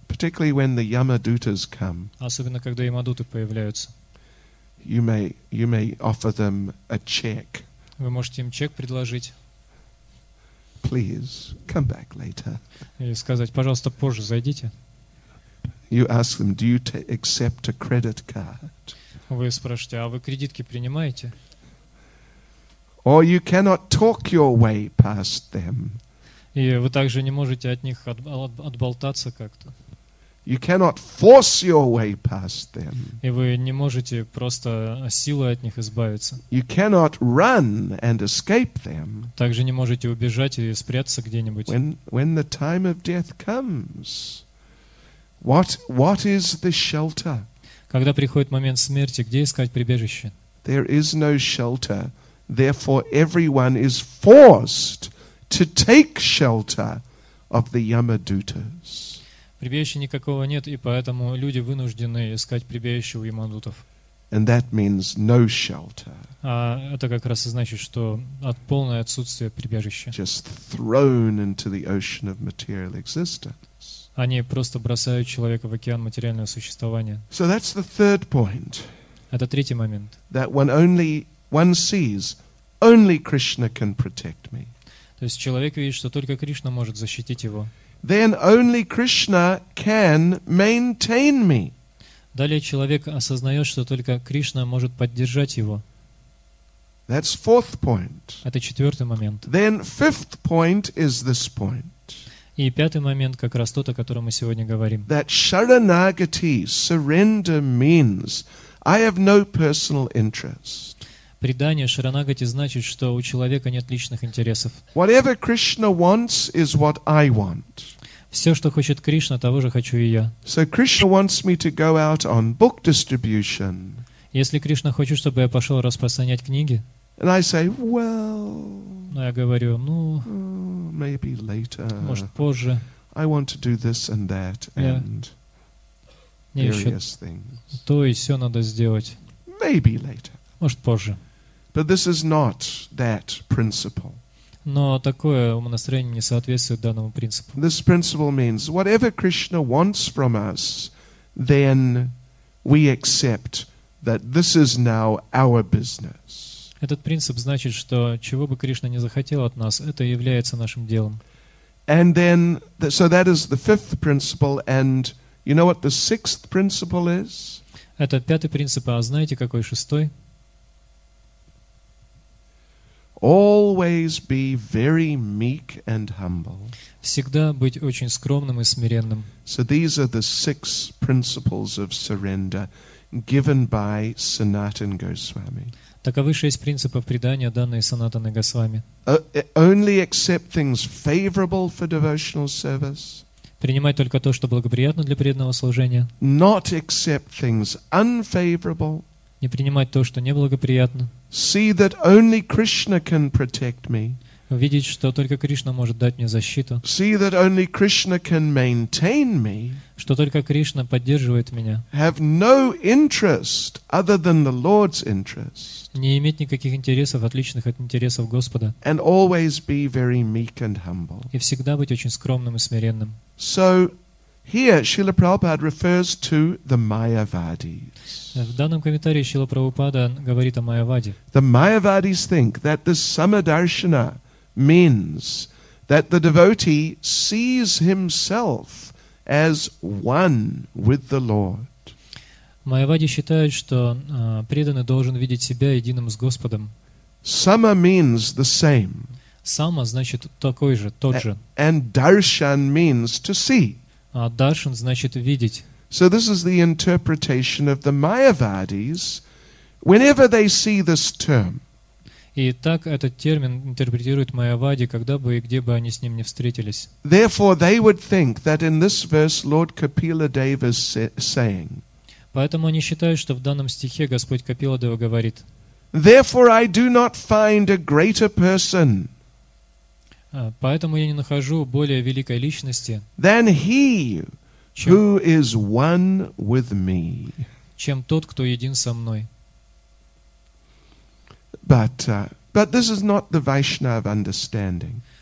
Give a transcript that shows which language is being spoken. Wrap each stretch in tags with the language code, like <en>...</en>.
<en>Particularly when the Yamadutas come.</en> <ru>Особенно когда Ямадуты появляются.</ru> <en>You may offer them a check.</en> <ru>Вы можете им чек предложить.</ru> <en>Please come back later.</en> <ru>Или сказать: пожалуйста, позже зайдите.</ru> <en>You ask them, do you accept a credit card?</en> <ru>Вы спрашиваете: а вы кредитки принимаете?</ru> <en>Or you cannot talk your way past them.</en> <ru>И вы также не можете от них отболтаться как-то.</ru> <en>You cannot force your way past them.</en> <ru>И вы не можете просто силой от них избавиться.</ru> <en>You cannot run and escape them.</en> <ru>Также не можете убежать и спрятаться где-нибудь.</ru> <en>When the time of death comes, what is the shelter?</en> <ru>Когда приходит момент смерти, где искать прибежище?</ru> <en>There is no shelter. Therefore, everyone is forced to take shelter of the Yamadutas.</en> <ru>Прибежища никакого нет, и поэтому люди вынуждены искать прибежище у Ямадутов.</ru> <en>And that means no shelter.</en> <ru>А это как раз и значит, что полное отсутствие прибежища.</ru> <en>Just thrown into the ocean of material existence.</en> <ru>Они просто бросают человека в океан материального существования.</ru> <en>So that's the third point.</en> <ru>Это третий момент.</ru> <en>That one only One sees only Krishna can protect me.</en> <ru>То есть человек видит, что только Кришна может защитить его.</ru> <en>Then only Krishna can maintain me.</en> <ru>Далее человек осознает, что только Кришна может поддержать его.</ru> <en>That's fourth point.</en> <ru>Это четвертый момент.</ru> <en>Then fifth point is this point.</en> <ru>И пятый момент как раз тот, о котором мы сегодня говорим.</ru> <en>That sharanagati, surrender, means I have no personal interest.</en> <ru>Предание Шаранагати значит, что у человека нет личных интересов.</ru> <en>Whatever Krishna wants is what I want.</en> <ru>Все, что хочет Кришна, того же хочу и я.</ru> <en>So Krishna wants me to go out on book distribution.</en> <ru>Если Кришна хочет, чтобы я пошел распространять книги,</ru> <en>and I say, well,</en> <ru>я говорю, ну,</ru> <en>maybe later.</en> <ru>Может, позже.</ru> <en>I want to do this and that and various things.</en> <ru>То и все надо сделать.</ru> <en>Maybe later.</en> <ru>Может, позже.</ru> <en>But this is not that principle.</en> <ru>Но такое умонастроение не соответствует данному принципу.</ru> <en>This principle means whatever Krishna wants from us, then we accept that this is now our business.</en> <ru>Этот принцип значит, что чего бы Кришна не захотел от нас, это является нашим делом.</ru> <en>And then, so that is the fifth principle, and you know what the sixth principle is?</en> <ru>Это пятый принцип, а знаете, какой шестой?</ru> <en>Always be very meek and humble.</en> <ru>Всегда быть очень скромным и смиренным.</ru> <en>So these are the six principles of surrender given by Sanatan Goswami.</en> <ru>Таковы шесть принципов предания, данные Санатаной Госвами.</ru> <en>Only accept things favorable for devotional service.</en> <ru>Принимать только то, что благоприятно для преданного служения.</ru> <en>Not accept things unfavorable.</en> <ru>Не принимать то, что неблагоприятно.</ru> <en>See that only Krishna can protect me.</en> <ru>Видеть, что только Кришна может дать мне защиту.</ru> <en>See that only Krishna can maintain me.</en> <ru>Что только Кришна поддерживает меня.</ru> <en>Have no interest other than the Lord's interest.</en> <ru>Не иметь никаких интересов, отличных от интересов Господа.</ru> <en>And always be very meek and humble.</en> <ru>И всегда быть очень скромным и смиренным.</ru> <en>So here Srila Prabhupada refers to the Mayavadis.</en> <ru>В данном комментарии Шрила Прабхупада говорит о Майаваде.</ru> <en>The Mayavadis think that the Samadarshana means that the devotee sees himself as one with the Lord.</en> <ru>Майавади считают, что преданный должен видеть себя единым с Господом.</ru> <en>Sama means the same.</en> <ru>Сама значит такой же, тот же.</ru> <en>And darshan means to see.</en> <ru>А даршан значит видеть.</ru> <en>So this is the interpretation of the Mayavadis whenever they see this term.</en> <ru>И так этот термин интерпретирует Майавади, когда бы и где бы они с ним не встретились.</ru> <en>Therefore, they would think that in this verse Lord Kapila Deva is saying.</en> <ru>Поэтому они считают, что в данном стихе Господь Капила Дева говорит.</ru> <en>Therefore, I do not find a greater person.</en> <ru>Поэтому я не нахожу более великой личности.</ru> <en>Than he who is one with me.</en> <ru>Чем тот, кто един со мной.</ru> <en>But this is not the Vaishnava understanding.</en>